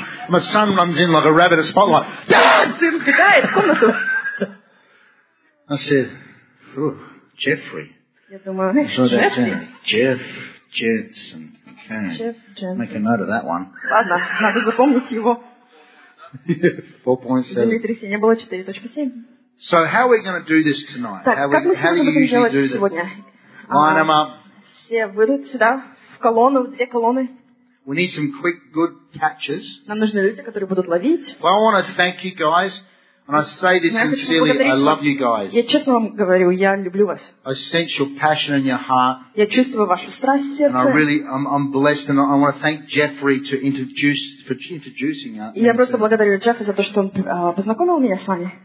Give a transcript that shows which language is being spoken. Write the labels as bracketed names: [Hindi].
[English] My son runs in like a rabbit at spotlight. Dad! [Russian] Сын вбегает в комнату. [English] I said, Jeffrey. [Russian] Я думаю, [English] Jeff Jensen. Okay. Jeff Jensen. Make a note of that one. [Russian] Ладно, надо запомнить его. [English] 4.7. [Russian] Дмитрий, не было 4.7. [English] So how are we going to do this tonight? [Russian] Так, [English] how we, how do you usually do this? Line them up. [Russian] Все выйдут сюда в колонну, в две колонны. [English] We need some quick, good catches. [Russian] Нам нужны люди, которые будут ловить. [English] Well, I want to thank you guys, and I say this sincerely. I love you guys. [Russian] Я честно вам говорю, я люблю вас. [English] I sense your passion in your heart. [Russian] Я чувствую вашу страсть в сердце. [English] And I really, I'm blessed, and I want to thank Jeffrey for introducing us. [Russian] Я просто благодарю Джеффа за то, что он познакомил меня с вами.